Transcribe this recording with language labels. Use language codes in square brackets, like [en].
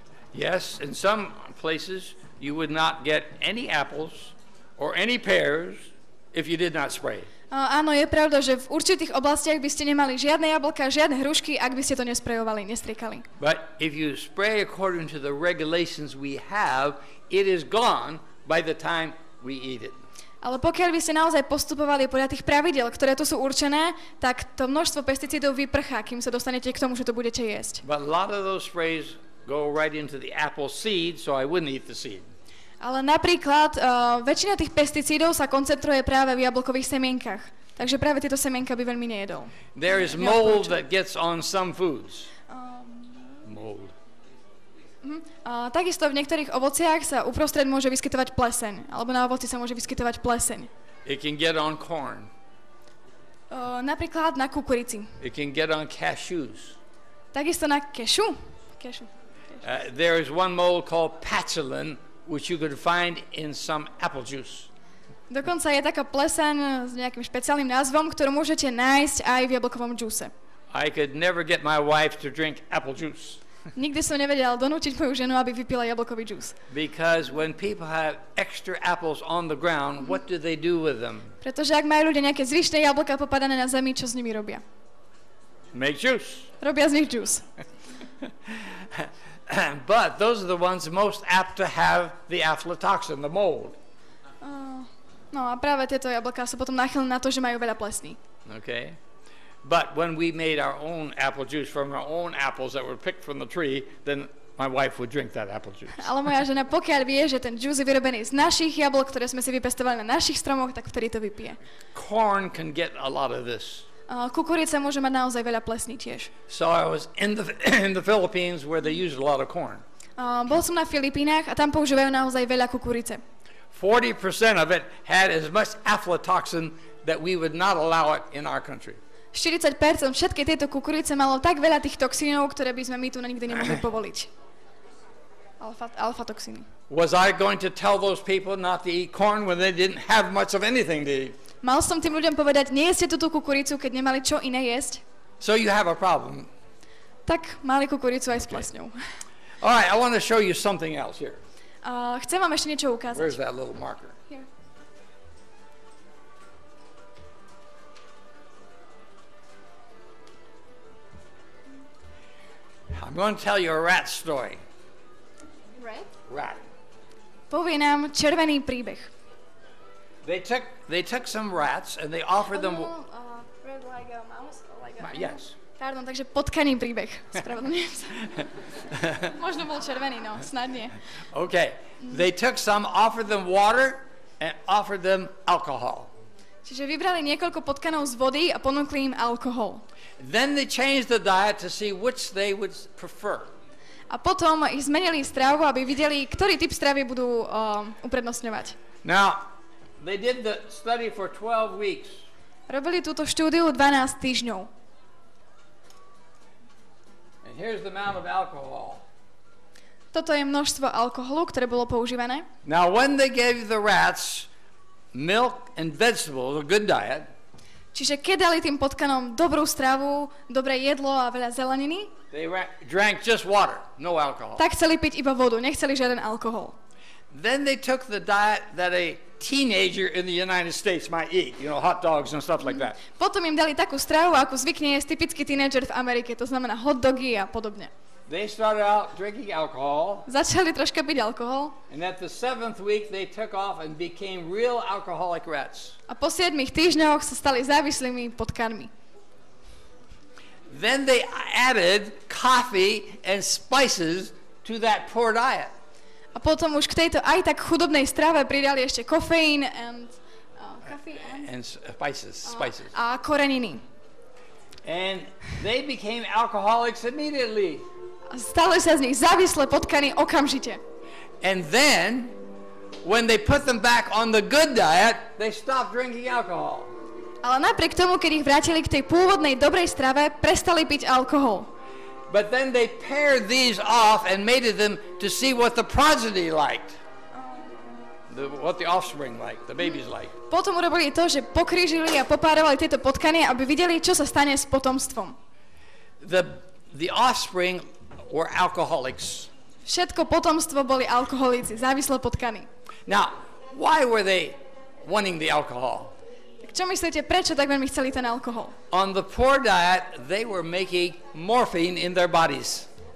[en] Yes, in some places you would not get any apples or any pears if you did not spray. [sk] Áno, je pravda, že v určitých oblastiach by ste nemali žiadne jablka, žiadne hrušky, ak by ste to nesprejovali, nestriekali. [en] But if you spray according to the regulations we have, it is gone by the time we eat it. [sk] Ale pokiaľ by ste naozaj postupovali podľa tých pravidel, ktoré tu sú určené, tak to množstvo pesticídov vyprchá, kým sa dostanete k tomu, že to budete jesť. [en] But a lot of those sprays go right into the apple seed, so I wouldn't eat the seed. [sk] Ale napríklad, väčšina tých pesticídov sa koncentruje práve v jablkových semienkach. Takže práve tieto semienka by veľmi nejedol. [en] There is mold that gets on some foods. Mold. [sk] Takisto v niektorých ovociach sa uprostred môže vyskytovať pleseň, alebo na ovoci sa môže vyskytovať pleseň. [en] It can get on corn. [sk] Napríklad na kukurici. [en] It can get on cashews. [sk] Takisto na kešu. Kešu. [en] There is one mold called patchouli, which you could find in some apple juice. [sk] Dokonca je taká pleseň s nejakým špeciálnym názvom, ktorú môžete nájsť aj v jablkovom džúse. [en] I could never get my wife to drink apple juice. [sk] Nikdy som nevedel donútiť moju ženu, aby vypila jablkový džús. [en] Because when people have extra apples on the ground, what do they do with them? [sk] Pretože ak majú ľudia nejaké zvyšné jablka popadané na zemi, čo s nimi robia? [en] Make juice. [sk] Robia z nich džús. [en] But those are the ones most apt to have the aflatoxin, the mold. [sk] No a práve tieto jablká sú potom náchylné na to, že majú veľa plesní. [en] Okay. But when we made our own apple juice from our own apples that were picked from the tree, then my wife would drink that apple juice. [sk] Ale moja žena, pokiaľ vie, že ten džús je vyrobený z našich jablok, ktoré sme si vypestovali na našich stromoch, tak vtedy to vypije. [en] Corn can get a lot of this. [sk] Kukurica môže mať naozaj veľa plesní tiež. [en] So I was in the Philippines where they use a lot of corn. [sk] Bol som na Filipínach a tam používajú naozaj veľa kukurice. [en] 40% of it had as much aflatoxin that we would not allow it in our country. [sk] 40% všetkej tejto kukurice malo tak veľa tých toxínov, ktoré by sme my tu na nikdy nemohli povoliť. Alfa toxíny. [en] Was I going to tell those people not to eat corn when they didn't have much of anything to eat? [sk] Mal som tým ľuďom povedať, nejeste túto kukuricu, keď nemali čo iné jesť? [en] So you have a problem. [sk] Tak mali kukuricu aj okay. S plesňou. [en] All right, I want to show you something else here. [sk] Chcem vám ešte niečo ukázať. [en] Where's that little marker? Here. I'm going to tell you a rat story. Rat? Rat. [sk] Povie nám červený príbeh. [en] They took some rats and they offered them... Red like a mouse? Like a mouse. Yes. [sk] Pardon, takže potkaný príbeh. Spravedlňujem sa. Možno bol červený, no, snad nie. [en] Okay. They took some, offered them water and offered them alcohol. [sk] Čiže vybrali niekoľko potkanov z vody a ponúkli im alkohol. [en] Then they changed the diet to see which they would prefer. [sk] A potom ich zmenili stravu, aby videli, ktorý typ stravy budú uprednostňovať. [en] Now, they did the study for 12 weeks. [sk] Robili túto štúdiu 12 týždňov. [en] And here's the amount of alcohol. [sk] Toto je množstvo alkoholu, ktoré bolo používané. [en] Now, when they gave the rats milk and vegetables, a good diet. [sk] Čiže keď dali tým potkanom dobrú stravu, dobré jedlo a veľa zeleniny, [en] they drank just water, no alcohol. [sk] Tak chceli piť iba vodu, nechceli žiaden alkohol. [en] Then they took the diet that a teenager in the United States might eat, you know, hot dogs and stuff like that. [sk] Potom im dali takú stravu, ako zvykne jesť typický teenager v Amerike, to znamená hot dogy a podobne. [en] They started out drinking alcohol. [sk] Začali troška piť alkohol. [en] And at the 7th week they took off and became real alcoholic rats. [sk] A po 7 týždňoch sa stali závislými potkanmi. [en] Then they added coffee and spices to that poor diet. [sk] A potom už k tejto aj tak chudobnej strave pridali ešte kofeín [en] and coffee and spices. [sk] A koreniny. [en] And they became alcoholics immediately. [sk] Stali sa z nich závislé potkaní okamžite. [en] And then when they put them back on the good diet, they stopped drinking alcohol. [sk] Ale napriek tomu, keď ich vrátili k tej pôvodnej dobrej strave, prestali piť alkohol. [en] But then they paired these off and mated them to see what the progeny liked. What the offspring like, the babies like. [sk] Potom urobili to, že pokrížili a popárovali tieto potkanie, aby videli, čo sa stane s potomstvom. [en] The offspring were alcoholics. [sk] Všetko potomstvo boli alkoholici, závislé potkany. [en] Now, why were they wanting the alcohol? [sk] Tak čo myslíte, prečo tak veľmi chceli ten alkohol? [en] On the poor diet, they were making morphine in their bodies.